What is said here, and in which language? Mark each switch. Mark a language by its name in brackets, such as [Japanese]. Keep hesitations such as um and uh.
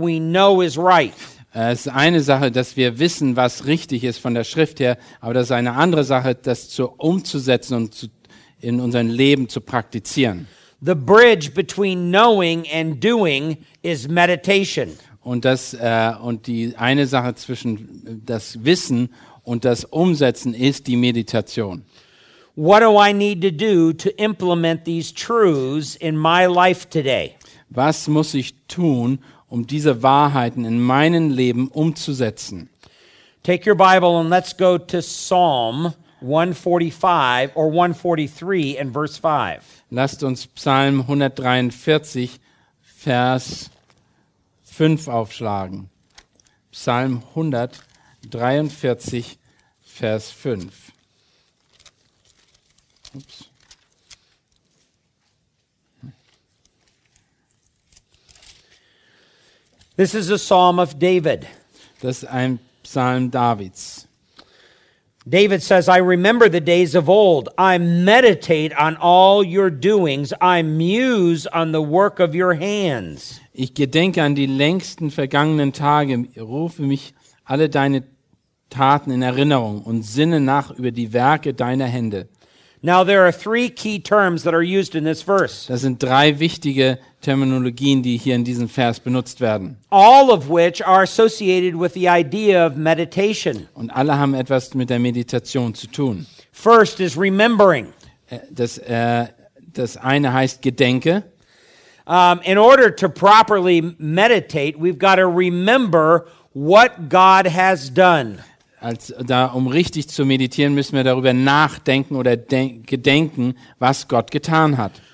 [English] we know is right. [German] Es ist eine Sache, dass wir wissen, was richtig ist von der Schrift her, aber das ist eine andere Sache, das zu umzusetzen und zu in unserem Leben zu praktizieren. [English] The bridge between knowing and doing is meditation. [German] Und das äh, und die eine Sache zwischen das Wissen und das Umsetzen ist die Meditation. [English] What do I need to do to implement these truths in my life today? [German] Was muss ich tun? um diese Wahrheiten in meinen Leben umzusetzen. [English] Take your Bible and let's go to Psalm 145 or 143 in verse 5. [German] Lasst uns Psalm 143 Vers 5 aufschlagen. Psalm 143 Vers 5. Oops. [English] This is a psalm of David. This is psalm David's. David says, I remember the days of old. I meditate on all your doings. I muse on the work of your hands. [German] Ich gedenke an die längsten vergangenen Tage. Rufe mich alle deine Taten in Erinnerung und sinne nach über die Werke deiner Hände. [English] Now there are three key terms that are used in this verse. [German] Das sind drei wichtige Terminologien, die hier in diesem Vers benutzt werden. [English] All of which are associated with the idea of meditation. [German] Und alle haben etwas mit der Meditation zu tun. [English] First is remembering. [German] Das äh, das eine heißt Gedenke. [English] Um, in order to properly meditate, we've got to remember what God has done. [German] als da, um richtig zu meditieren, müssen wir darüber nachdenken oder gedenken, was Gott getan hat.